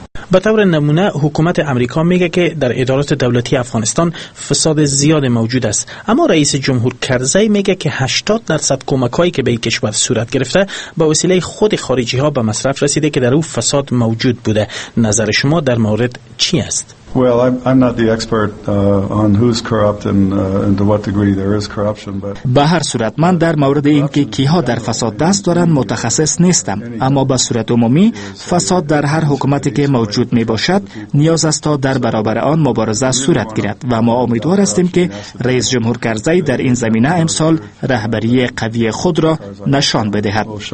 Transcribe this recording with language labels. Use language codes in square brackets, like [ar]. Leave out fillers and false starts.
[fa] به طور نمونه حکومت آمریکا میگه که در ادارات دولتی افغانستان فساد زیاد موجود است، اما رئیس جمهور کرزی میگه که 80% کمک هایی که به این کشور صورت گرفته به وسیله خود خارجی ها به مصرف رسیده که در او فساد موجود بوده. نظر شما در مورد چی است؟ [en] Well, I'm not the expert on who's corrupt and to what degree there is corruption, but [fa] به هر صورت من در مورد اینکه کیها در فساد دست دارند متخصص نیستم، اما به صورت عمومی فساد در هر حکومتی که موجود می باشد نیاز است تا در برابر آن مبارزه صورت گیرد و ما امیدوار هستیم که رئیس جمهور کرزی در این زمینه امسال رهبری قوی خود را نشان بدهد.